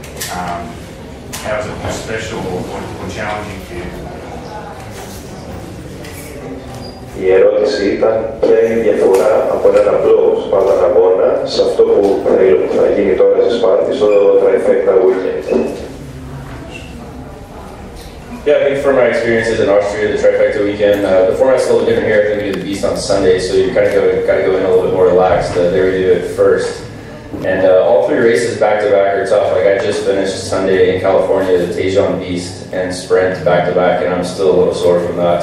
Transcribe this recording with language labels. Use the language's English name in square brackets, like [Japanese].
[English] How is it more special or challenging for you? [Greek] Η ερώτηση ήταν ποια είναι η διαφορά από έναν απλό Spartan αγώνα σε αυτό που θα γίνει τώρα σε Σπάρτη, στο Trifecta Weekend. [English] Yeah, I think from my experiences in Austria, the Trifecta Weekend, the format's a little different here. I think we did the Beast on Sunday, so you kind of got to go in a little bit more relaxed. There we do it first. And all three races back-to-back are tough. Like, I just finished Sunday in California, the Tejon Beast and Sprint back-to-back, and I'm still a little sore from that.